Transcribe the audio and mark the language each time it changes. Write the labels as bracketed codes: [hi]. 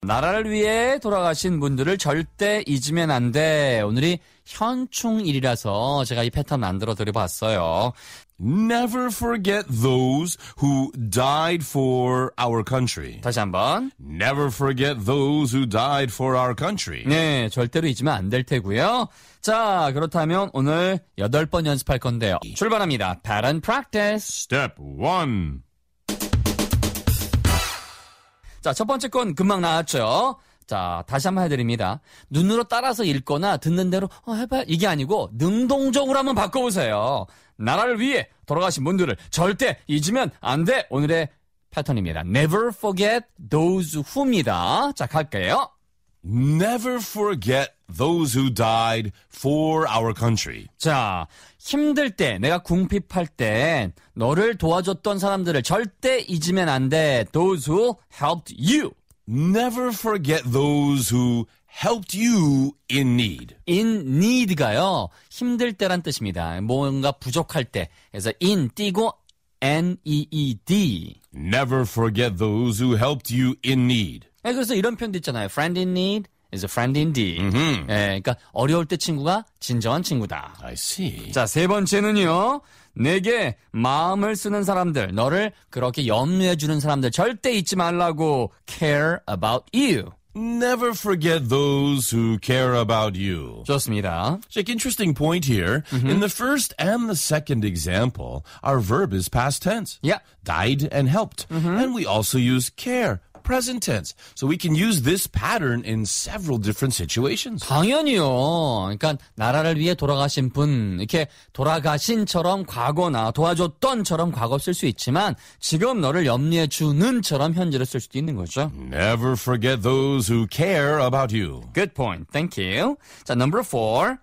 [ko] 나라를 위해 돌아가신 분들을 절대 잊으면 안 돼. 오늘이 현충일이라서 제가 이 패턴 만들어 드려봤어요. [en] Never forget those who died for our country. [ko] 다시 한번. [en] Never forget those who died for our country. [ko] 네, 절대로 잊으면 안 될 테고요. 자, 그렇다면 오늘 8번 연습할 건데요. 출발합니다. [en] Pattern practice. Step 1. [ko] 자, 첫 번째 건 금방 나왔죠. 자, 다시 한번 해드립니다. 눈으로 따라서 읽거나 듣는 대로 해봐요. 이게 아니고 능동적으로 한번 바꿔보세요. 나라를 위해 돌아가신 분들을 절대 잊으면 안 돼. 오늘의 패턴입니다. [en] Never forget those who [ko] 입니다. 자, 갈게요. [en] Never forget those who died for our country. [ko] 자, 힘들 때, 내가 궁핍할 때 너를 도와줬던 사람들을 절대 잊으면 안 돼. [en] Those who helped you. Never forget those who helped you in need. In need [ko] 가요. 힘들 때란 뜻입니다. 뭔가 부족할 때. 그래서 in 띄고 N-E-E-D. [en] Never forget those who helped you in need. [ko] 네, 그래서 이런 표현도 있잖아요. [en] Friend in need is a friend indeed. [ko] 네, 그러니까 어려울 때 친구가 진정한 친구다. [en] I see. [ko] 자, 세 번째는요. 내게 마음을 쓰는 사람들, 너를 그렇게 염려해 주는 사람들 절대 잊지 말라고. [en] Care about you. Never forget those who care about you. [ko] 좋습니다. [en] So, interesting point here. Mm-hmm. In the first and the second example, our verb is past tense. Yeah. Died and helped. Mm-hmm. And we also use care, present tense. So we can use this pattern in several different situations. [ko] 당연히요. 그러니까 나라를 위해 돌아가신 분, 이렇게 돌아가신처럼 과거나 도와줬던처럼 과거 쓸 수 있지만 지금 너를 염려해 주는처럼 현재를 쓸 수도 있는 거죠. [en] Never forget those who care about you. Good point. Thank you. 자, number four.